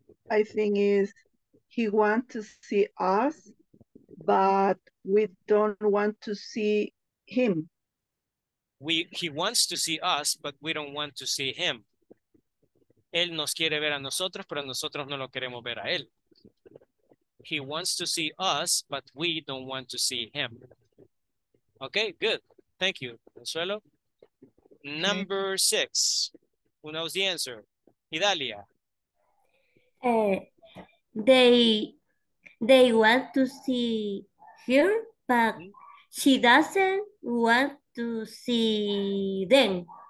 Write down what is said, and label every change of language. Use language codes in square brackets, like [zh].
[en] I think is he wants to see us, but we don't want to see him. He wants to see us, but we don't want to see him. [es] Él nos quiere ver a nosotros, pero nosotros no lo queremos ver a él. [en] He wants to see us, but we don't want to see him. Okay, good. Thank you, Consuelo. Number six. Who knows the answer? Idalia. They want to see her, but she doesn't want to see them.